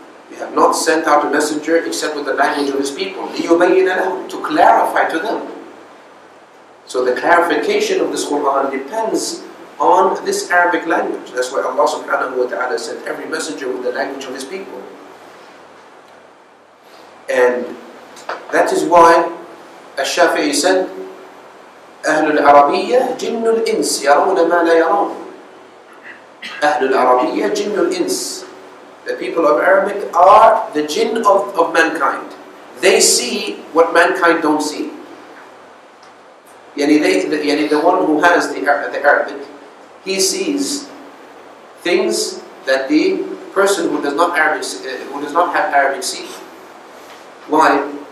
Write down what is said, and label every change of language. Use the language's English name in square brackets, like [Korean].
[English] We have not sent out a messenger except with the language of his people. [Arabic] لِيُبَيِّنَ لَهُمْ. [English] To clarify to them. So the clarification of this Qur'an depends on this Arabic language. That's why Allah subhanahu wa ta'ala sent every messenger with the language of his people. And that is why al-Shafi'i said, [Arabic] أَهْلُ الْعَرَبِيَّةِ جِنُّ الْإِنْسِ يَرَوْنَ مَا لَا يَرَوْنَ. أَهْلُ الْعَرَبِيَّةِ جِنُّ الْإِنْسِ. [English] The people of Arabic are the jinn of mankind. They see what mankind don't see. Yani the one who has the Arabic, he sees things that the person who does not Arabic, who does not have Arabic, see. Why?